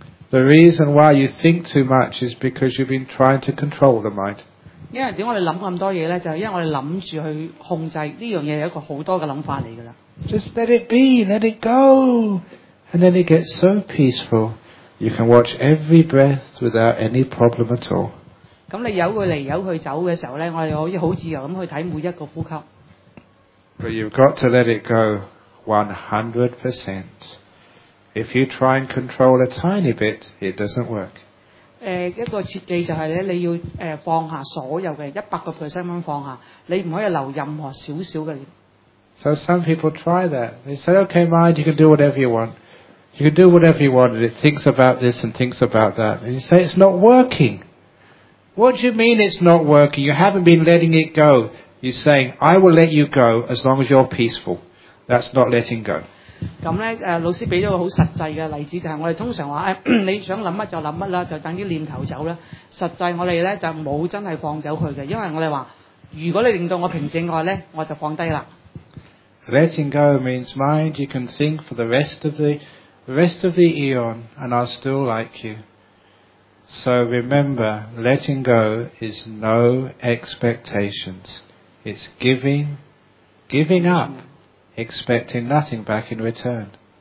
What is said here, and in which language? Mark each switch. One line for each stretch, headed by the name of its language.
English: The reason why you think too much is because you've been trying to control the mind.
Cantonese: 因為點我哋諗咁多嘢咧，就係因為我哋諗住去控制呢樣嘢，有一個好多嘅諗法嚟㗎啦。
English: Just let it be, let it go, and then it gets so peaceful. You can watch every breath without any problem at all.
Cantonese: 咁你由佢嚟由佢走嘅時候咧，我哋可以好自由咁去睇每一個呼吸。
English: But you've got to let it go 100%. If you try and control a tiny bit, it doesn't work.
Cantonese: 一個設計就係咧，你要放下所有嘅100% 咁放下，你唔可以留任何少少嘅。
English: So some people try that. They say, "Okay, mind, you can do whatever you want. You can do whatever you want." And it thinks about this and thinks about that. And you say, "It's not working." What do you mean it's not working? You haven't been letting it go. You're saying, I will let you go as long as you're peaceful. That's not letting go.
Cantonese: 咁呢老師俾咗個好實際嘅例子，就係我哋通常話你想諗乜就諗乜啦，就等啲念頭走啦。實際我哋呢就冇真係放走佢嘅，因為我哋話如果你令到我平靜嘅話呢，我就放低啦。
English: Letting go means mind, you can think for the rest of the eon and I'll still like you. So remember, letting go is no expectations. It's giving up, expecting nothing back in return.